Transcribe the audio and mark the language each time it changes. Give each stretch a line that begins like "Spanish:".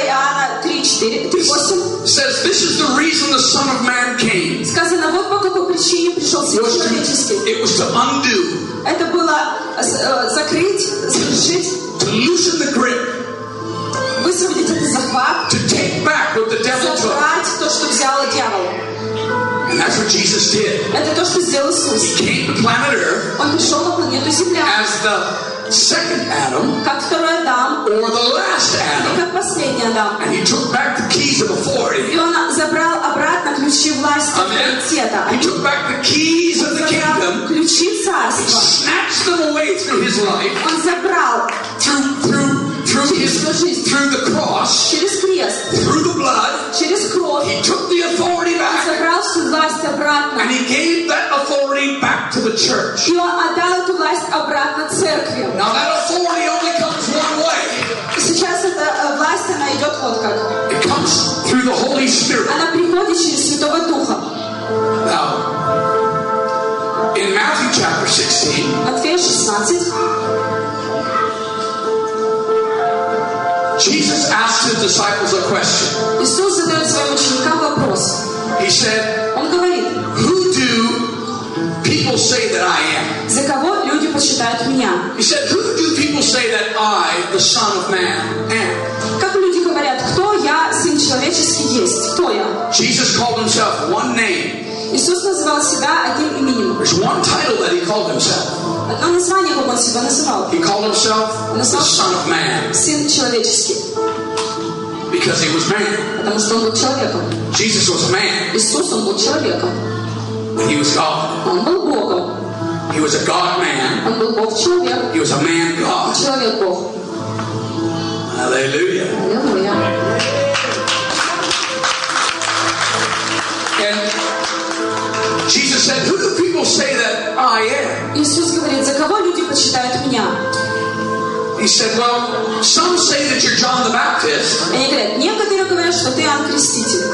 English: Says this is the reason the Son of Man came.
Russian: Сказано, вот по какой причине пришел Сын Человеческий.
English: It was to undo.
Russian: Это было закрыть, завершить.
English: To loosen the grip.
Russian: Высвободить этот захват.
English: To take back what the devil took.
Russian: Забрать то, что взял дьявол.
English: And that's what Jesus did.
Russian: Это то, что сделал Иисус.
English: He came to planet Earth.
Russian: Он пришел на планету Земля.
English: As the second Adam,
Russian: как второй Адам,
English: or the last Adam,
Russian: как последний Адам,
English: and he took back the keys of authority.
Russian: И он забрал обратно ключи власти авторитета.
English: He took back the keys of the kingdom.
Russian: Ключи царства.
English: He snatched them away through his life.
Russian: Он забрал
English: through the cross.
Russian: Через крест.
English: Through the blood.
Russian: Через кровь.
English: He took the authority back.
Russian: Он забрал всю власть обратно.
English: And he gave that authority back to the church.
Russian: И он отдал эту власть обратно церкви.
English: Now that authority only comes one way.
Russian: Сейчас эта власть, она идет вот как.
English: It comes through the Holy Spirit.
Russian: Она приходит через Святого Духа.
English: Now, in Matthew chapter 16.
Russian: Матфея 16.
English: Jesus asked his disciples a question.
Russian: Иисус задает своим ученикам вопрос.
English: He said,
Russian: он говорит,
English: who do people say that I am?
Russian: За кого люди почитают меня?
English: He said, who do people say that I, the Son of Man, am?
Russian: Как люди говорят, кто я, Сын Человеческий, есть? Кто я?
English: Jesus called himself one name.
Russian: Иисус называл себя одним именем.
English: There's one title that he called himself.
Russian: Одно название, как он себя называл.
English: He called himself the Son of Man.
Russian: Сын человеческий.
English: Because he was man.
Russian: Потому что он был человеком.
English: Jesus was a man.
Russian: Иисус, он был человеком.
English: But he was God.
Russian: Он был Богом.
English: He was a God man.
Russian: Он был Бог человек.
English: He was a man God.
Russian: Человек Бог.
English: Hallelujah. And Jesus said, "Who do people say that I am?"
Russian: Иисус говорит, за кого люди почитают меня?
English: He said, "Well, some say that you're John the Baptist."
Russian: Они говорят, некоторые говорят, что ты Иоанн Креститель.